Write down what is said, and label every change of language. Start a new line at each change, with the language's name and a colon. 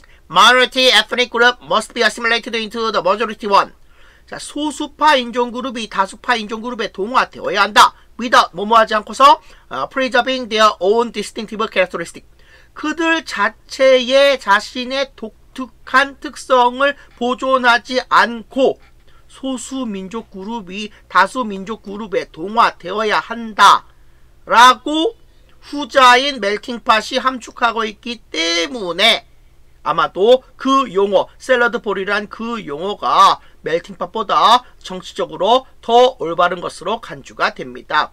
English: minority ethnic group must be assimilated into the majority one.
Korean: 자, 소수파 인종그룹이 다수파 인종그룹에 동화되어야 한다.
English: without,
Korean: 뭐뭐하지 않고서
English: preserving their own distinctive characteristic.
Korean: 그들 자체의 자신의 독특한 특성을 보존하지 않고 소수민족 그룹이 다수민족 그룹에 동화되어야 한다 라고 후자인 melting pot이 함축하고 있기 때문에 아마도 그 용어, 샐러드 볼이란 그 용어가 멜팅팟보다 정치적으로 더 올바른 것으로 간주가 됩니다.